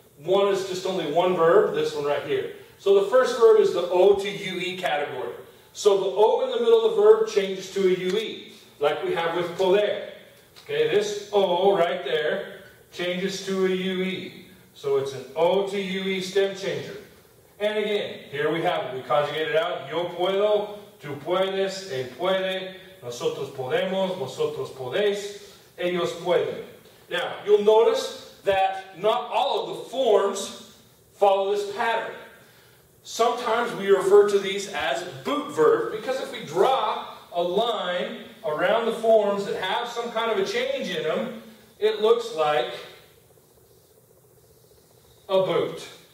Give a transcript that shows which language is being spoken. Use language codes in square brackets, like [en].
[en] One is just only one verb, this one right here. So the first verb is the O to UE category. So the O in the middle of the verb changes to a UE, like we have with poder. Okay, this O right there changes to a UE. So it's an O to UE stem changer. And again, here we have it. We conjugate it out. [es] Yo puedo, tú puedes, él puede, nosotros podemos, vosotros podéis, ellos pueden. [en] Now, you'll notice that not all of the forms follow this pattern. Sometimes we refer to these as boot verbs, because if we draw a line around the forms that have some kind of a change in them, it looks like a boot.